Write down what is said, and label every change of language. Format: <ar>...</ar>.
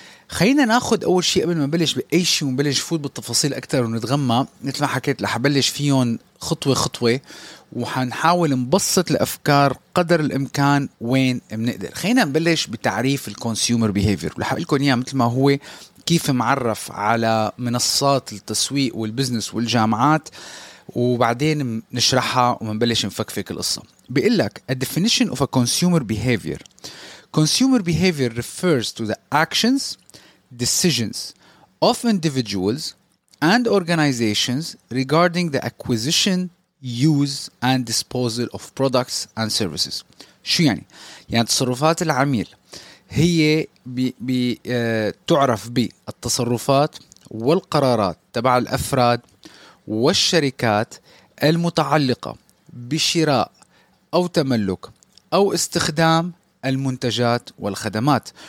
<ar>خلينا ناخذ اول شيء قبل ما نبلش باي شيء ونبلش فوت بالتفاصيل اكثر ونتغمق، مثل ما حكيت رح بلش فيهم خطوه خطوه، وحنحاول نبسط الافكار قدر الامكان وين بنقدر. خلينا نبلش بتعريف الكونسيومر بيهيفير، ورح اقول لكم اياه مثل ما هو كيف معرف على منصات التسويق والبزنس والجامعات، وبعدين نشرحها ونبلش نفكفك القصه. بيقول لك</ar> <en>a definition of a consumer behavior. Consumer behavior refers to the actions, decisions of individuals and organizations regarding the acquisition, use and disposal of products and services.</en> <ar>شو يعني؟ يعني تصرفات العميل هي بتعرف بالتصرفات والقرارات تبع الأفراد والشركات المتعلقة بشراء أو تملك أو استخدام المنتجات والخدمات.</ar>